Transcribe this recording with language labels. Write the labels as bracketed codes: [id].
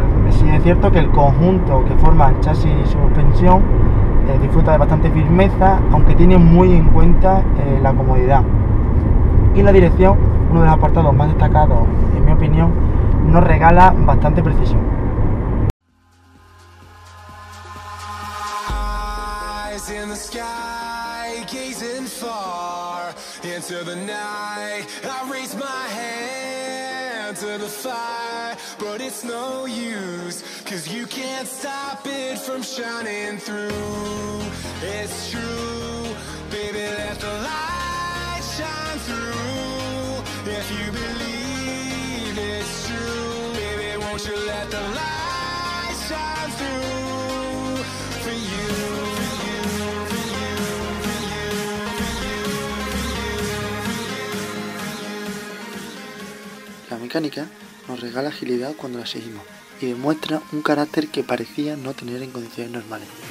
[es] Sí es cierto que el conjunto que forma el chasis y suspensión disfruta de bastante firmeza, aunque tiene muy en cuenta la comodidad. Y la dirección, uno de los apartados más destacados, en mi opinión, nos regala bastante precisión. [en] In the sky, gazing far into the night, I raise my hand to the fire, but it's no use, 'cause you can't stop it from shining through. It's true, baby, let the light shine through. If you believe it's true, baby, won't you let the light shine through for you. [es] La mecánica nos regala agilidad cuando la seguimos y demuestra un carácter que parecía no tener en condiciones normales.